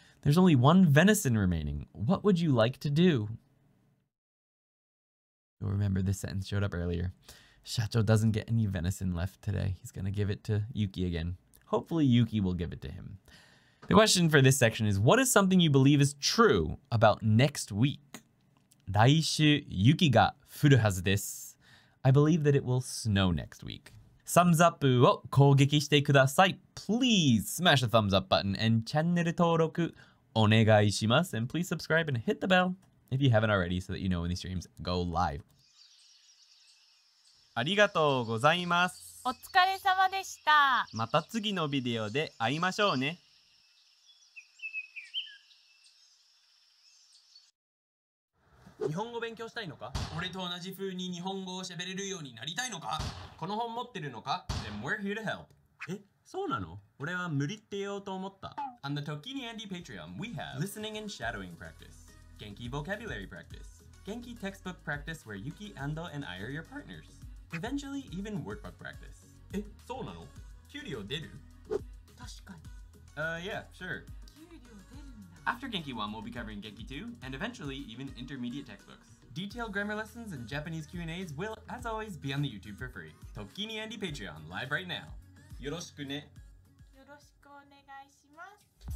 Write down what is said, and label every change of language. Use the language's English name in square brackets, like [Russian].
[English] There's only 1 venison remaining. What would you like to do? You'll remember this sentence showed up earlier. Shacho doesn't get any venison left today. He's going to give it to Yuki again. Hopefully Yuki will give it to him. The question for this section is, what is something you believe is true about next week? [Japanese] 来週雪が降るはずです。 [English] I believe that it will snow next week. [Japanese] サムズアップを攻撃してください。 [English] Please smash the thumbs up button and [Japanese] チャンネル登録お願いします。 [English] And please subscribe and hit the bell if you haven't already so that you know when these streams go live. [Japanese] ありがとうございます。お疲れ様でした。また次のビデオで会いましょうね。日本語勉強したいのか俺と同じ風に日本語を喋れるようになりたいのかこの本持ってるのか [English] Then we're here to help. [Japanese] え、そうなの俺は無理って言おうと思った。 [English] On the Tokini Andy Patreon, we have Listening and Shadowing Practice, Genki Vocabulary Practice, Genki Textbook Practice where Yuki, Ando, and I are your partners, Eventually, even work bug practice. [Japanese] え、そうなの？給料出る？確かに。 [English] Yeah, sure. [Japanese] 給料出るんだ。 [English] After Genki 1, we'll be covering Genki 2, and eventually even intermediate textbooks. Detailed grammar lessons and Japanese Q&As will, as always, be on the YouTube for free. Tokini Andy Patreon, live right now. [Japanese] よろしくね。よろしくお願いします。